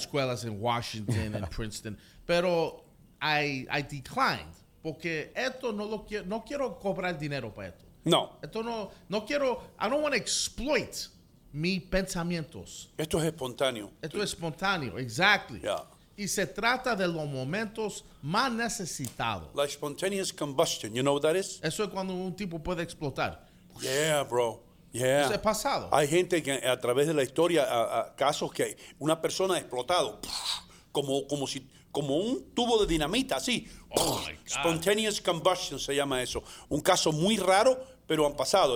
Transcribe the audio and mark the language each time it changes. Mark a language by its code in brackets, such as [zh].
[es] Escuelas en Washington, en Princeton. Pero [en] I declined. [es] Porque esto no quiero cobrar dinero para esto. No. Esto no quiero, [en] I don't want to exploit [es] mis pensamientos. Esto es espontáneo. Esto es espontáneo, exactly. Yeah. Y se trata de los momentos más necesitados. [en] Like spontaneous combustion, you know what that is? [es] Eso es cuando un tipo puede explotar. [en] Yeah, bro. Yeah. [es] Eso es pasado. Hay gente que a través de la historia, casos que una persona ha explotado, como un tubo de dinamita, así. [en] Oh, my God. [es] Spontaneous combustion se llama eso. Un caso muy raro, pero han pasado.